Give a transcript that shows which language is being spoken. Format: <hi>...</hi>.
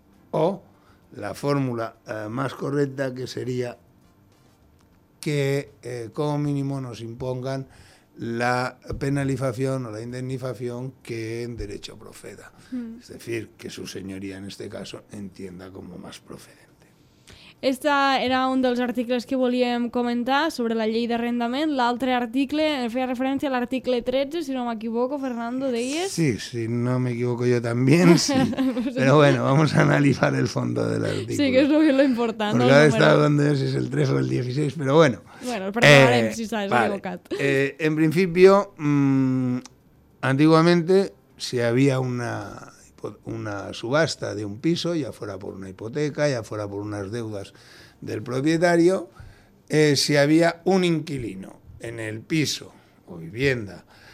<es>o la fórmula más correcta, que sería que como mínimo nos impongan la penalización o la indemnización que en derecho proceda. Mm. Es decir, que su señoría en este caso entienda como más procedente.</es> <ca>Este era un dels articles que volíem comentar sobre la llei d'arrendament. L'altre article feia referència a l'article 13, si no m'equivoco, Fernando, deies? Sí, si no m'equivoco jo también, sí.</ca> <es>Però bueno, vamos a analizar el fondo del article.</es> <ca>Sí, que és lo important.</ca> <es>Porque ahora estaba donde es, es el 13 o el 16, però bueno.</es> <ca>Bueno, perdonarem si s'has</ca> <es>vale.</es> <ca>equivocat.</ca> <es>En principio, antiguamente, si había una subasta de un piso, ya fuera por una hipoteca, ya fuera por unas deudas del propietario, si había un inquilino en el piso o vivienda</es>